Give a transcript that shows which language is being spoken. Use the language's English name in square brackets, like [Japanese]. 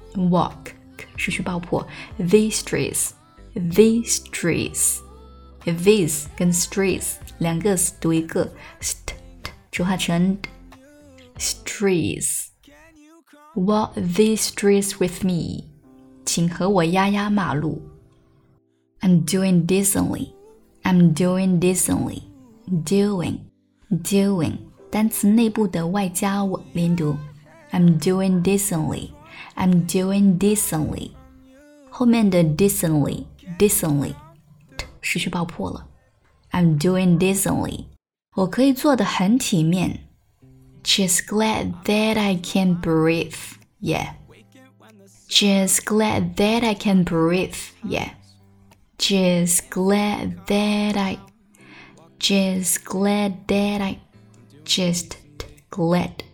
[English] Walk, [Chinese] 失去爆破 [English] These streets, these streets, these 跟 streets [Chinese] 两个 [English] s [Chinese] 读一个 [English] st t [Chinese] 浊化成 [English] d streets. Walk these streets with me. [Chinese] 请和我压压马路 [English] I'm doing decently. I'm doing decently. Doing, doing. [Chinese] 单词内部的外加我连读。 [English] I'm doing decently, I'm doing decently. [Chinese] 后面的 decently, decently, 失去爆破了。 [English] I'm doing decently. [Chinese] 我可以做得很体面。 [English] Just glad that I can breathe, yeah. Just glad that I can breathe, yeah. Just glad that I, just glad that I, just glad.